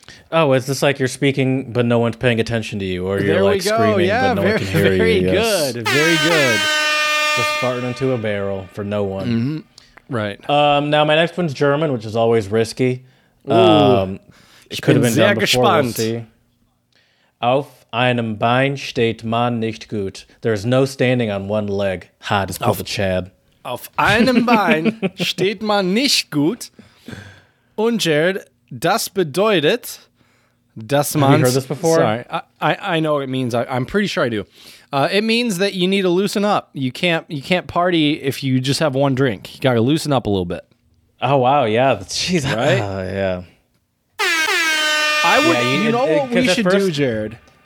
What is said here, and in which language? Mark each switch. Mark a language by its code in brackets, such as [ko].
[en] Oh, is this like you're speaking but no one's paying attention to you or you're like screaming but no one can hear you? Very good. Yes. Very good. Just farting into a barrel for no one. Mm-hmm. Right. Now, my next one's German, which is always risky. It could have been done before. [de] Auf einem Bein steht man nicht gut. [en] There is no standing on one leg. Ha, das ist the Chad. [de] Auf einem Bein steht man nicht gut. Und Jared, das bedeutet, dass man... [en] Have you heard this before? Sorry, I know what it means. I'm pretty sure I do. It means that you need to loosen up. You can't party if you just have one drink. You got to loosen up a little bit. Oh, wow. Yeah. Jeez. Right? Yeah. You know what we should do, Jared?